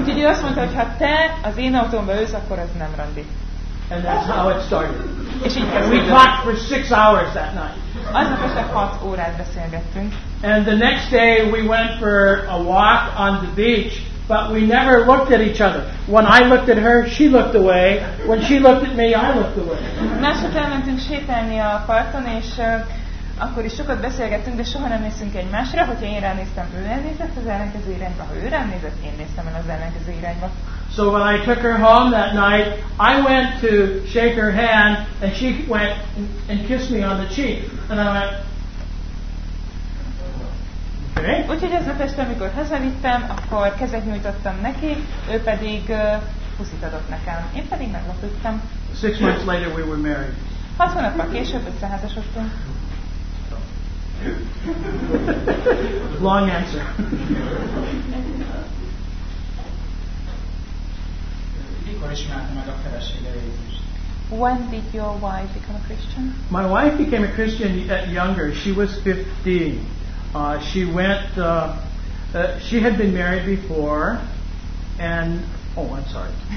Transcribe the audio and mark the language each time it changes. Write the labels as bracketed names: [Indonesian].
[Hungarian] Úgyhogy azt mondta, hogy ha te az én autómba ülsz, akkor ez nem randi. [English] And that's how it started. [Hungarian] És így kezdődött. [English] We talked for 6 hours that night. [Hungarian] Aznap este 6 órát beszélgettünk. [English] And the next day we went for a walk on the beach, but we never looked at each other. When I looked at her, she looked away. When she looked at me, I looked away. [Hungarian] Másnap elmentünk sétálni a parton, és akkor is sokat beszélgettünk, de soha nem néztünk egymásra. Hogyha én ránéztem, ő elnézett az ellenkező irányba. Ha ő ránézett, én néztem el az ellenkező irányba. [English] So when I took her home that night, I went to shake her hand, and she went and kissed me on the cheek. And I went, okay. [Hungarian] Úgyhogy aznap este, amikor hazavittem, akkor kezet nyújtottam neki, ő pedig puszit adott nekem. Én pedig meglepődtem. [English] 6 months later we were married. [Hungarian] 6 hónappal később összeházasodtunk. [English] Long answer. [Hungarian] Mikor ismertem meg a feleségeit? [English] When did your wife become a Christian? My wife became a Christian at younger. She was 15. She went. She had been married before, and oh, I'm sorry.